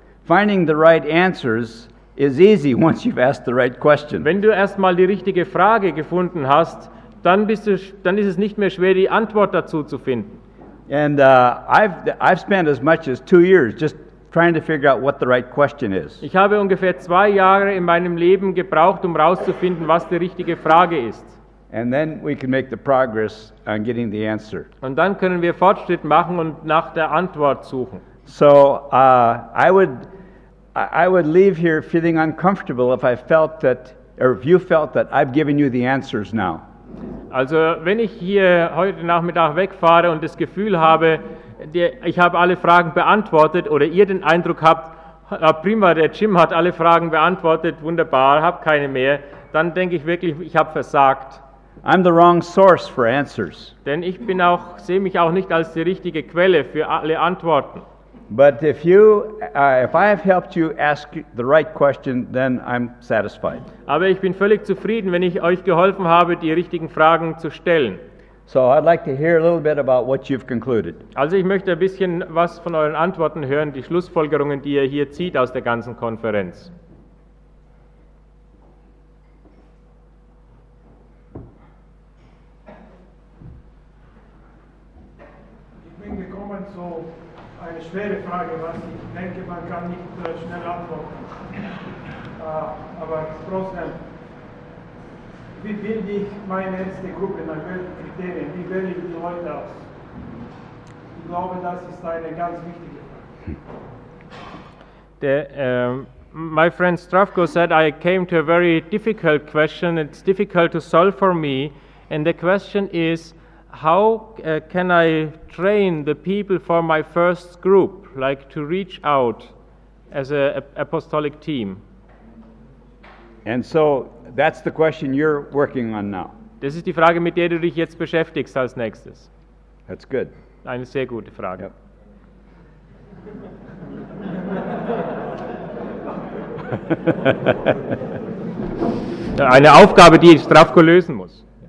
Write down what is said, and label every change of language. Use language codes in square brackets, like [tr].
[en] Finding the right answers is easy once you've asked the right question. [de] Wenn du erstmal die richtige Frage gefunden hast, dann ist es nicht mehr schwer, die Antwort dazu zu finden. [en] And I've spent as much as 2 years just trying to figure out what the right question is. [de] Ich habe ungefähr 2 Jahre in meinem Leben gebraucht, um rauszufinden, was die richtige Frage ist. [en] And then we can make the progress on getting the answer. [de] Und dann können wir Fortschritt machen und nach der Antwort suchen. [en] So I would leave here feeling uncomfortable if I felt that, or if you felt that I've given you the answers now. [de] Also, wenn ich hier heute Nachmittag wegfahre und das Gefühl habe, ich habe alle Fragen beantwortet, oder ihr den Eindruck habt, prima, der Jim hat alle Fragen beantwortet, wunderbar, hab keine mehr, dann denke ich wirklich, ich habe versagt. [en] I'm the wrong source for answers. [de] Denn ich bin auch, sehe mich auch nicht als die richtige Quelle für alle Antworten. [en] But if you, if I have helped you ask the right question, then I'm satisfied. [de] Aber ich bin völlig zufrieden, wenn ich euch geholfen habe, die richtigen Fragen zu stellen. [en] So I'd like to hear a little bit about what you've concluded. [de] Also ich möchte ein bisschen was von euren Antworten hören, die Schlussfolgerungen, die ihr hier zieht aus der ganzen Konferenz. Ich bin gekommen zu einer schweren Frage, was ich denke, man kann nicht schnell antworten. Aber trotzdem. Wie bilde ich meine erste Gruppe nach welchen Kriterien? Wie wähle ich die Leute aus? Ich glaube, das ist eine ganz wichtige Frage. [en] Der my friend Stravko said, I came to a very difficult question. It's difficult to solve for me. And the question is, how can I train the people for my first group, like to reach out as an apostolic team? And so that's the question you're working on now. [de] Das ist die Frage, mit der du dich jetzt beschäftigst als nächstes. [en] That's good. [de] Eine sehr gute Frage. [en] Yep. [de] Eine Aufgabe, die Stravko lösen muss.